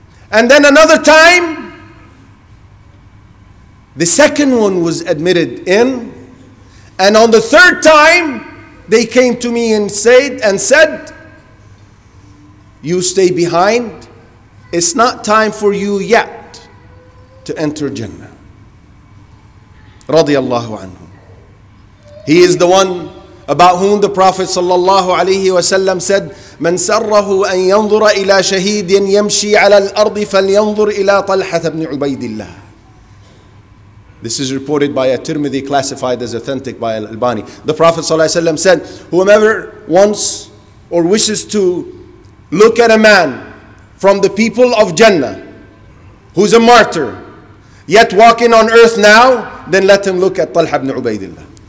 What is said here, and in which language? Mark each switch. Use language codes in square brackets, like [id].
[en] And then another time, the second one was admitted in. And on the third time, they came to me and said, you stay behind. It's not time for you yet to enter Jannah. Radiallahu anhu. [ar] He is the one about whom the Prophet sallallahu alayhi wa sallam said, من سره أن ينظر إلى شهيد يمشي على الأرض فلينظر إلى طلحة بن عبيد الله. [en] This is reported by a Tirmidhi, classified as authentic by Al-Albani. The Prophet ﷺ said, whoever wants or wishes to look at a man from the people of Jannah, who's a martyr, yet walking on earth now, then let him look at Talha ibn Ubaidillah.